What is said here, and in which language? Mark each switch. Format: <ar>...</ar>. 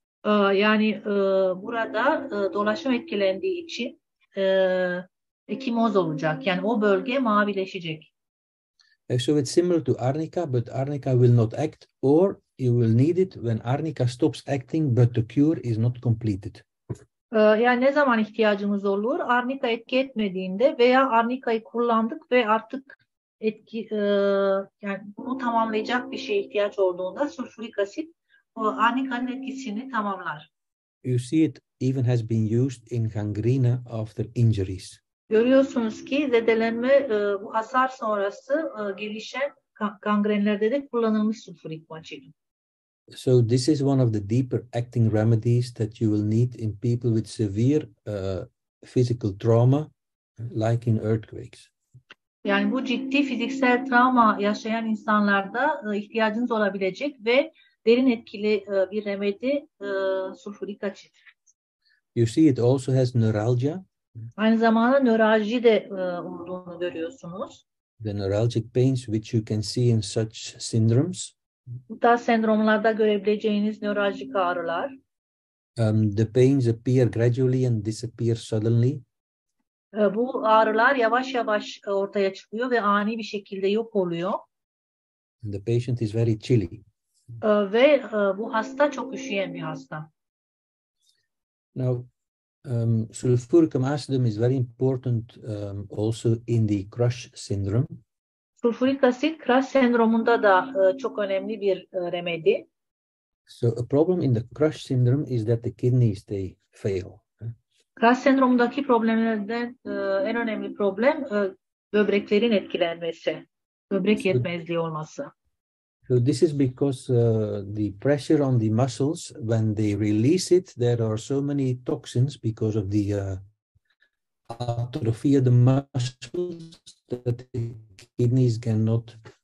<tr>Yani burada dolaşım etkilendiği için ekimoz olacak. Yani o bölge mavileşecek.</tr> <en>So it's similar to arnica, but arnica will not act, or you will need it when arnica stops acting, but the cure is not completed.</en> <tr>Yani ne zaman ihtiyacımız olur? Arnika etki etmediğinde veya arnikayı kullandık ve artık etki yani bunu tamamlayacak bir şeye ihtiyaç olduğunda sulfurik asit arnikanın etkisini tamamlar.</tr> <en>You see it even has been used in gangrena after injuries.</en> <tr>Görüyorsunuz ki zedelenme bu hasar sonrası gelişen gangrenlerde de kullanılmış sulfurik asit.</tr> <en>So this is one of the deeper acting remedies that you will need in people with severe physical trauma, like in earthquakes.</en> <tr>Yani bu ciddi fiziksel travma yaşayan insanlarda ihtiyacınız olabilecek ve derin etkili bir remedi sulfurik asit.</tr> <en>You see it also has neuralgia.</en> <tr>Aynı zamanda nöralji de olduğunu görüyorsunuz.</tr> <en>The neuralgic pains which you can see in such syndromes.</en> <tr>Bu tarz sendromlarda görebileceğiniz nörolojik ağrılar.</tr> <en>The pains appear gradually and disappear suddenly.</en> <tr>Bu ağrılar yavaş yavaş ortaya çıkıyor ve ani bir şekilde yok oluyor.</tr> <en>And the patient is very chilly.</en> <tr>Ve bu hasta çok üşüyen bir hasta.</tr> <en>Now, sulfuricum acidum is very important also in the crush syndrome.</en> <tr>Sulfurik asit crush sendromunda da çok önemli bir remedi.</tr> <en>So a problem in the crush syndrome is that the kidneys they fail.</en> <tr>Crush sendromundaki problemlerden en önemli problem böbreklerin etkilenmesi, böbrek yetmezliği olması.</tr> <en>So this is because the pressure on the muscles when they release it, there are so many toxins because of the atrophy of the muscles that the kidneys cannot</en>